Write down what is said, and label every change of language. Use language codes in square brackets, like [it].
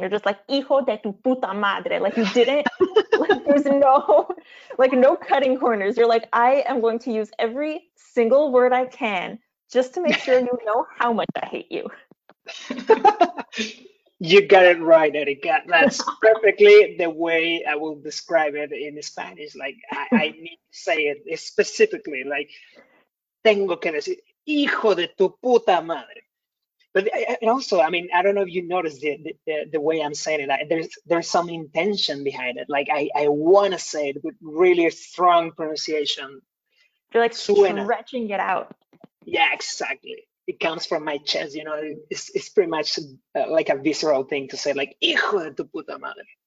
[en] You're just like, [es] hijo de tu puta madre. [en] Like you didn't, like there's no cutting corners. You're like, I am going to use every single word I can just to make sure you know how much I hate you. You got it right, Erika. That's perfectly the way I will describe it in Spanish. Like, I need to say it specifically. [es] Like, tengo que decir, hijo de tu puta madre. [en] But also, I mean, I don't know if you noticed the way I'm saying it. There's some intention behind it. Like, I want to say it with really strong pronunciation. You're like [es] suena. [en] Stretching it out. Yeah, exactly. It comes from my chest, you know, it's pretty much like a visceral thing to say, like, [es] hijo de tu puta madre.